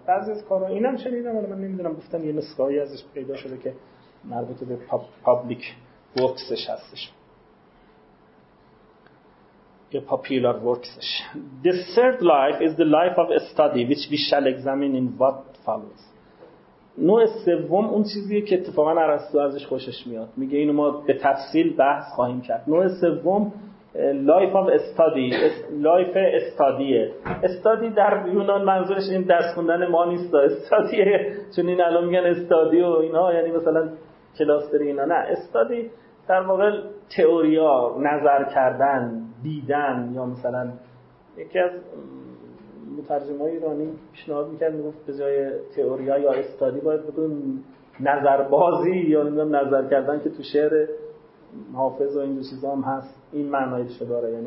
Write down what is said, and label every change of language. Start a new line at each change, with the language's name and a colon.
Persian: بعضی از کارها اینم شنیدم، ولی من نمیدونم، گفتن یه نسخه هایی ازش پیدا شده که مربوط به پابلیک ورکسش هستش. یا پاپیولار ورکسش.
English: The third life is the life of study which we shall examine in what follows.
Persian: نوع سوم اون چیزیه که اتفاقا ارسطو ازش خوشش میاد، میگه اینو ما به تفصیل بحث خواهیم کرد. نوع سوم
English: life of study،
Persian: life استادیه. استادی در یونان منظورش این درس خوندن ما نیست، استادیه چون این الان میگن استادی و اینا یعنی مثلا کلاس بری اینا، نه، استادی در واقع تئوریا، نظر کردن، دیدن، یا مثلا یکی از مترجمای ایرانی پیشنهاد میکرد میگفت به جای تئوریا یا استادی باید بگن نظربازی یا نمیدونم نظر کردن، که تو شعر حافظ و این دو چیزا هم هست، این معنایش رو داره.